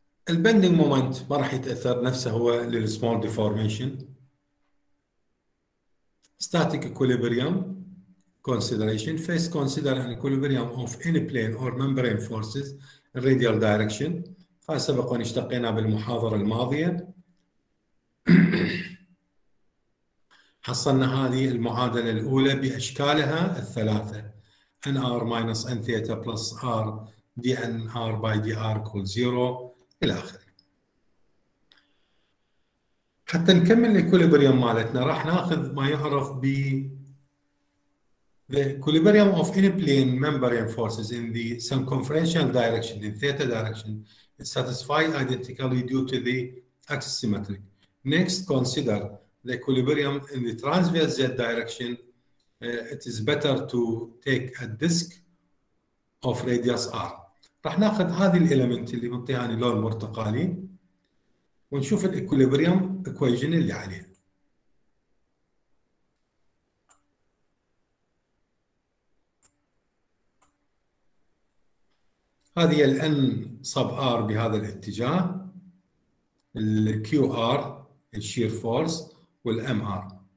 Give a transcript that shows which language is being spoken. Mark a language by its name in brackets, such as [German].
[Arabic] البندنج مومنت ما راح يتأثر، نفسه هو للsmall deformation. [English] static equilibrium consideration، first consider an equilibrium of any plane or membrane forces in radial direction، [Arabic] سبق وان اشتقينا بالمحاضرة الماضية. حصلنا هذه المعادلة الأولى بأشكالها الثلاثة [English] nr minus n theta plus r dnr by dr equal 0 [Arabic] إلى آخر. حتى نكمل الإكوليبريوم مالتنا راح ناخذ ما يعرف ب [English] the equilibrium of any plane membrane forces in the circumferential direction in theta direction satisfied identically due to the axisymmetric. Next, consider the equilibrium in the transverse z direction. It is better to take a disk of radius r. [Arabic] راح ناخذ هذه الاليمنت اللي بنطيعني لون برتقالي ونشوف الاكوليبريوم اكويجن اللي عليه. هذه الـ N sub R بهذا الاتجاه، الـ QR الـ shear force والـ MR.